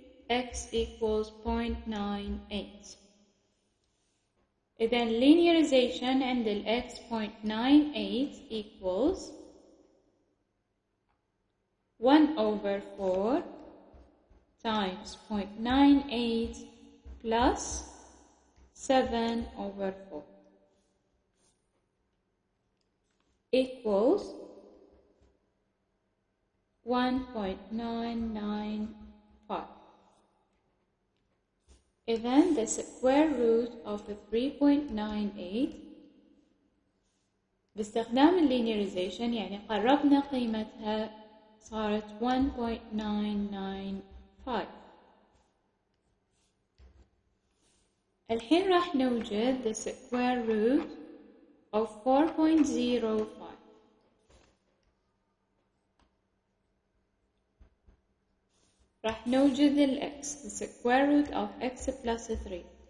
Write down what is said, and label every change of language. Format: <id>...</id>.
<en>x equals 0.98.</en> <ar>إذن</ar> <en>linearization عند ال x 0.98 equals 1 over 4 times 0.98 plus 7 over 4 equals 1.995.</en> <ar>إذن</ar> <en>the square root of</en> <ar>3.98 باستخدام linearization يعني قربنا قيمتها صارت 1.995. الحين راح نوجد</ar> <en>the square root of 4.05.</en> <ar>راح نوجد ال</ar> <en>x, the square root of x plus 3.</en>